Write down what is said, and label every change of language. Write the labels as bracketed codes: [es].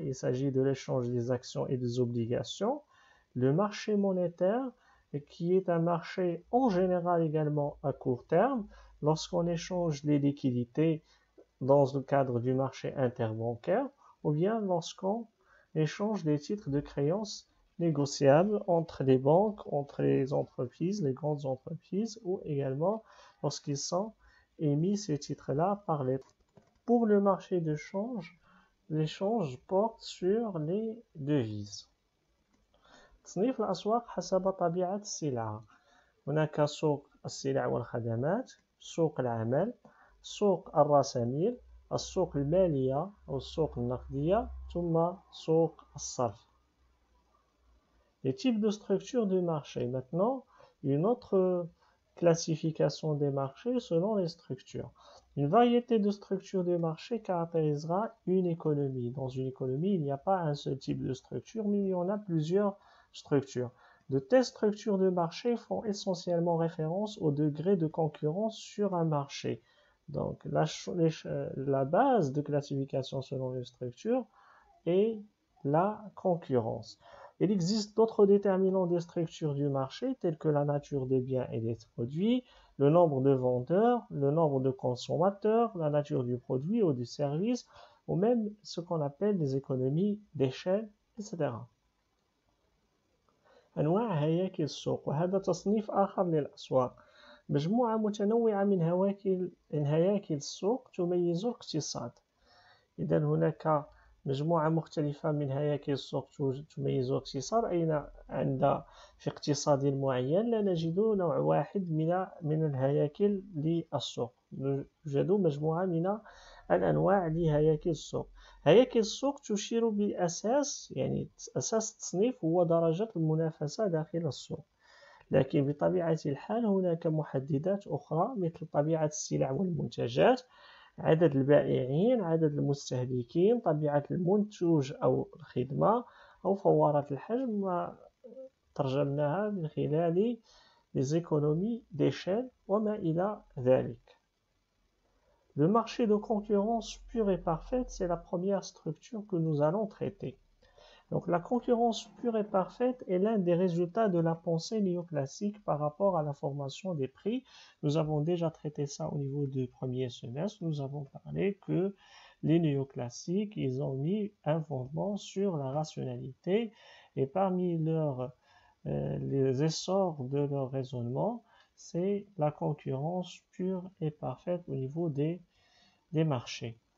[fr] Il s'agit de l'échange des actions et des obligations. Le marché monétaire, qui est un marché en général également à court terme, lorsqu'on échange les liquidités dans le cadre du marché interbancaire, ou bien lorsqu'on échange des titres de créance négociables entre les banques, entre les entreprises, les grandes entreprises, ou également lorsqu'ils sont émis ces titres-là par les... Pour le marché de change, l'échange porte sur les devises. [ar] تصنيف الأسواق حسب طبيعة السلع. هناك سوق السلع والخدمات، سوق العمل، سوق الرأسمال، السوق المالية أو السوق النقدية، ثم سوق الصرف. [fr] Les types de structures du marché. Maintenant, une autre classification des marchés selon les structures. Une variété de structures du marché caractérisera une économie. Dans une économie, il n'y a pas un seul type de structure, mais il y en a plusieurs structures. De telles structures de marché font essentiellement référence au degré de concurrence sur un marché. Donc, la base de classification selon les structures est la concurrence. Il existe d'autres déterminants des structures du marché, tels que la nature des biens et des produits, le nombre de vendeurs, le nombre de consommateurs, la nature du produit ou du service, ou même ce qu'on appelle des économies d'échelle, etc. [ar] أنواع هياكل السوق وهذا تصنيف آخر للأسواق مجموعة متنوعة من هياكل السوق تميز الاقتصاد إذا هناك مجموعة مختلفة من هياكل السوق تميز الاقتصاد أين عند في اقتصاد معين لا نجد نوع واحد من الهياكل للسوق يوجد مجموعة من الأنواع لهياكل السوق هياكل السوق تشير بأساس يعني أساس التصنيف هو درجة المنافسة داخل السوق لكن بطبيعة الحال هناك محددات أخرى مثل طبيعة السلع والمنتجات عدد البائعين عدد المستهلكين طبيعة المنتوج أو الخدمة أو فوارة الحجم ما ترجمناها من خلال les économies d'échelle وما إلى ذلك [fr] Le marché de concurrence pure et parfaite, c'est la première structure que nous allons traiter. Donc, la concurrence pure et parfaite est l'un des résultats de la pensée néoclassique par rapport à la formation des prix. Nous avons déjà traité ça au niveau du premier semestre. Nous avons parlé que les néoclassiques, ils ont mis un fondement sur la rationalité et parmi les essors de leur raisonnement, c'est la concurrence pure et parfaite au niveau des marchés.